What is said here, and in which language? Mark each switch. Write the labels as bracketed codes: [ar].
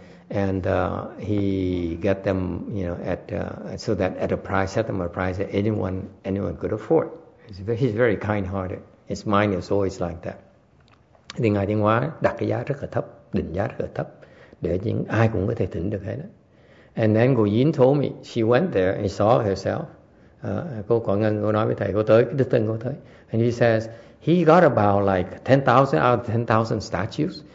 [en] And he got them, you know, at a price at 81 anyone could afford. He's very kind-hearted. His mind is always like that. [vi] Thì Ngài Thiên Hóa đặt cái giá rất là thấp, định giá rất là thấp, để những ai cũng có thể thỉnh được hết đó. [en] And then Cô Yin told me, she went there and saw herself. [vi] Cô Quảng Ngân, cô nói với thầy, cô tới, cái đức tin cô tới. [en] And he says, he got about like 10,000 out of 10,000 statues.